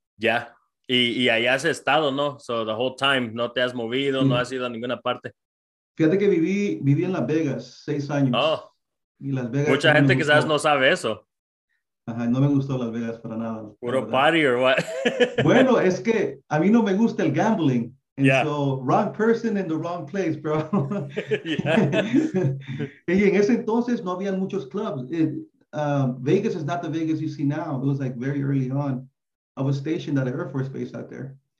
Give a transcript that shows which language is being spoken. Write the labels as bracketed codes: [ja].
[es] Ya. Yeah. Y ahí has estado, ¿no? [en] So the whole time, [es] no te has movido, no has ido a ninguna parte. Fíjate que viví en Las Vegas 6 años. Oh. Y Las Vegas. Mucha gente quizás no sabe eso. Ajá, no me gustó Las Vegas para nada. ¿Puro party [en] or what? [es] Bueno, es que a mí no me gusta el gambling. [en] And yeah. So, wrong person in the wrong place, bro. Yeah. [es] Y en ese entonces no habían muchos clubs. [en] Vegas is not the Vegas you see now. It was like very early on. I was stationed at an Air Force base out there.